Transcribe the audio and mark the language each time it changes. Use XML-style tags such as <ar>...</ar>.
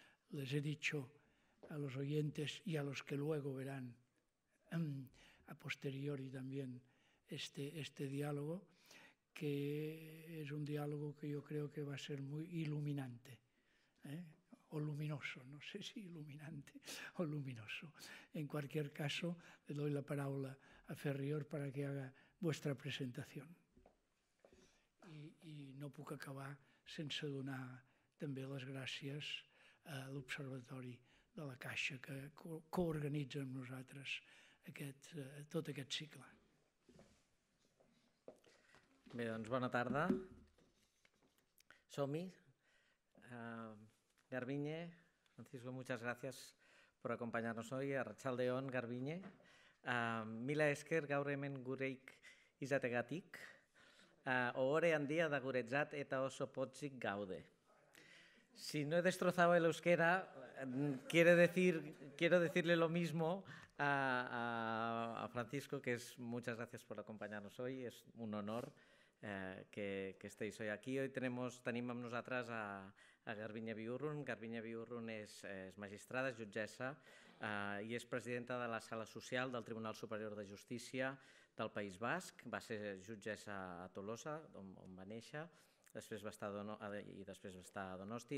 <es>Les he dicho a los oyentes y a los que luego verán a posteriori también este diálogo, que es un diálogo que yo creo que va a ser muy iluminante. O luminoso, no sé si iluminante o luminoso. En cualquier caso, le doy la palabra a Ferriol para que haga vuestra presentación.</es> <ca>Y no puc acabar sense donar també les gràcies a l'Observatori de la Caixa que coorganitza amb nosaltres tot aquest cicle. Bé, doncs bona tarda. Som-hi.</ca> <es>Garbiñe, Francisco, muchas gracias por acompañarnos hoy.</es> <eu>Arratsaldeon, Garbiñe. Mila esker gaur hemen gureik izategatik. Ohore handia da guretzat eta oso pozik gaude.</eu> <es>Si no he destrozado el euskera, quiero decirle lo mismo a Francisco, que es muchas gracias por acompañarnos hoy. Es un honor que estéis hoy aquí.</es> <ca>Hoy tenim amb nosaltres a Garbiñe Biurrun. Garbiñe Biurrun és magistrada, és jutgessa i és presidenta de la Sala Social del Tribunal Superior de Justícia del País Basc. Va ser jutgessa a Tolosa, on va néixer, després va estar a Donosti.</ca>